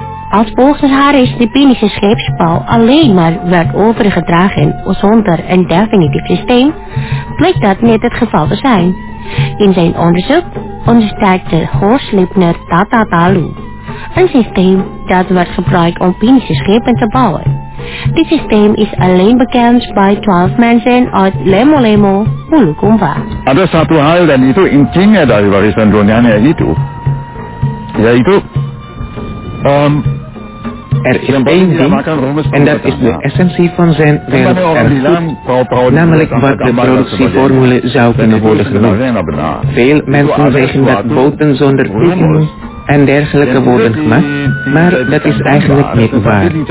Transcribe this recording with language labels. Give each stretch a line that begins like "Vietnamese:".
Dutch: Als volgens haar is de Pinische scheepsbouw alleen maar werd overgedragen zonder een definitief systeem, blijkt dat niet het geval te zijn. In zijn onderzoek onderstreekte Horst Liebner Tata Talu, een systeem dat werd gebruikt om Pinische schepen te bouwen. Dit systeem is alleen bekend bij 12 mensen uit Lemo-Lemo, Bulukumba.
Indonesian: Ada satu hal dan itu intinya dari warisan Roniana itu, yaitu
Dutch: Er is één ding, en dat is de essentie van zijn werelderfgoed, namelijk wat de productieformule zou kunnen worden genoemd. Veel mensen zeggen dat boten zonder koeien en dergelijke worden gemaakt, maar dat is eigenlijk niet waar.